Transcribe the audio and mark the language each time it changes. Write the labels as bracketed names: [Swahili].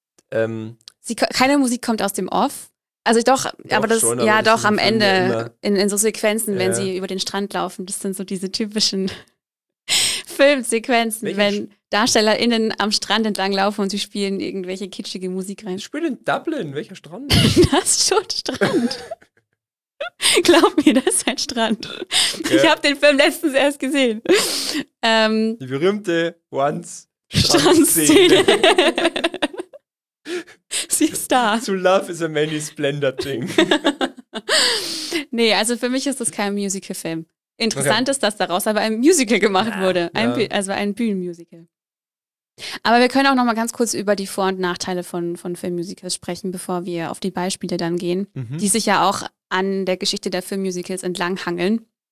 [German] keine Musik kommt aus dem Off. Also am Ende, in so Sequenzen, wenn sie über den Strand laufen, das sind so diese typischen Filmsequenzen, wenn DarstellerInnen am Strand entlang laufen und sie spielen irgendwelche kitschige Musik rein. Ich spiele in Dublin, welcher Strand? Das ist schon Strand. Glaub mir, das ist ein Strand. Okay. Ich habe den Film letztens erst gesehen. Die berühmte Once-Strand-Szene. Sie ist da. [English] To love is a many splendor thing. [German] Nee, also für mich ist das kein Musical-Film. Interessant ist, dass daraus aber ein Musical gemacht wurde. Ein Bühnenmusical. Aber wir können auch noch mal ganz kurz über die Vor- und Nachteile von Filmmusicals sprechen, bevor wir auf die Beispiele dann gehen, die sich ja auch an der Geschichte der Filmmusicals entlang hangeln.